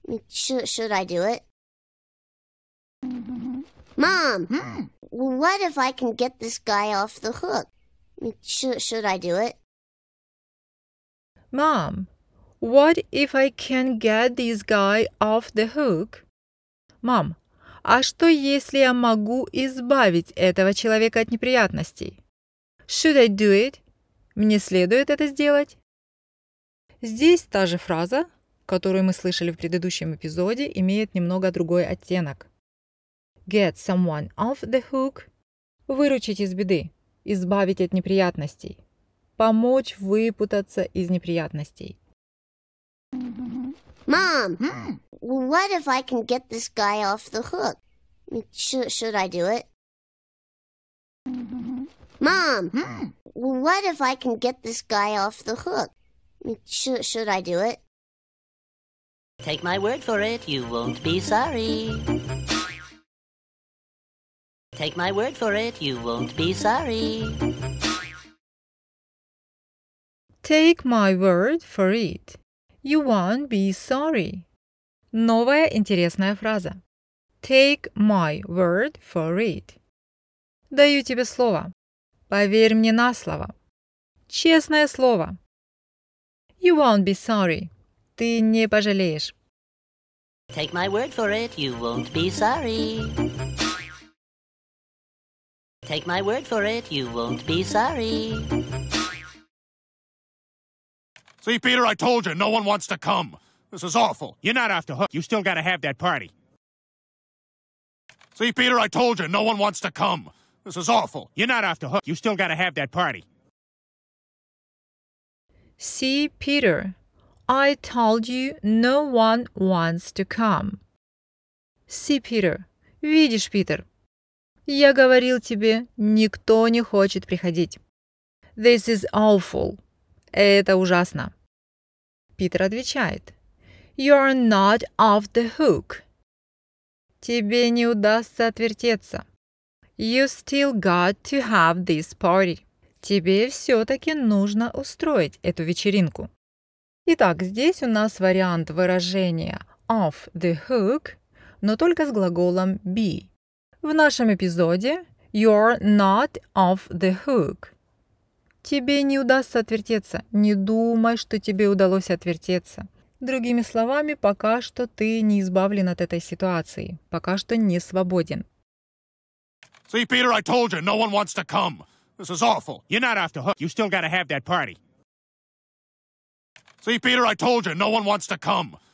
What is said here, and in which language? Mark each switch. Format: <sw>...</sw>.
<en>Should I do it? Mom, what if I can get this guy off the hook? Should I do it? Mom, what if I can get this guy off the hook?</en> <ru>Мам, а что если я могу избавить этого человека от неприятностей?</ru> <en>Should I do it?</en> <ru>Мне следует это сделать? Здесь та же фраза, которую мы слышали в предыдущем эпизоде, имеет немного другой оттенок.</ru> <en>Get someone off the hook</en> <ru>– выручить из беды, избавить от неприятностей, помочь выпутаться из неприятностей.</ru> <en>Mom, what if I can get this guy off the hook? Should I do it? Mom, what if I can get this guy off the hook? Should I do it? Take my word for it, you won't be sorry. Take my word for it, you won't be sorry. Take my word for it, you won't be sorry.</en> <ru>Новая интересная фраза.</ru> <en>Take my word for it.</en> <ru>Даю тебе слово. Поверь мне на слово. Честное слово.</ru> <en>You won't be sorry.</en> <ru>Ты не пожалеешь.</ru> <en>Take my word for it, you won't be sorry. Take my word for it, you won't be sorry. See, Peter, I told you, no one wants to come. This is awful. You're not off the hook. You still gotta have that party. See, Peter, I told you, no one wants to come. This is awful. You're not off the hook. You still gotta have that party. See, Peter, I told you no one wants to come. See, Peter.</en> <ru>Видишь, Питер? Я говорил тебе, никто не хочет приходить.</ru> <en>This is awful.</en> <ru>Это ужасно. Питер отвечает.</ru> <en>You're not off the hook.</en> <ru>Тебе не удастся отвертеться.</ru> <en>You still got to have this party.</en> <ru>Тебе все-таки нужно устроить эту вечеринку. Итак, здесь у нас вариант выражения off the hook, но только с глаголом be. В нашем эпизоде</ru> <en>you're not off the hook.</en> <ru>Тебе не удастся отвертеться. Не думай, что тебе удалось отвертеться. Другими словами, пока что ты не избавлен от этой ситуации. Пока что не свободен.</ru> <en>See, Peter, I told you, no one wants to come. This is awful. You're not off the hook. You still gotta have that party. See, Peter, I told you, no one wants to come.</en>